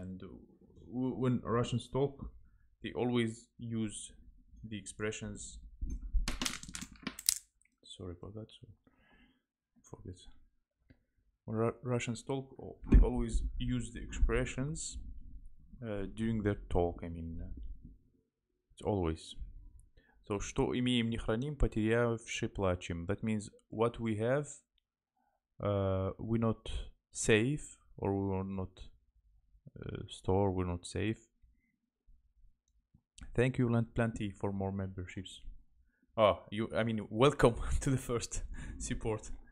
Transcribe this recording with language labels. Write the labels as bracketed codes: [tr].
[en] And when Russians talk, they always use the expressions. Sorry about that. Forget. When Russians talk, they always use the expressions during their talk. I mean, it's always. [ru] So, что имеем, не храним, потерявши, плачем. [en] That means what we have, we not save, or we will not store, we not save. Thank you, Land Plenty, for more memberships. Oh, you, I mean, welcome to the first support.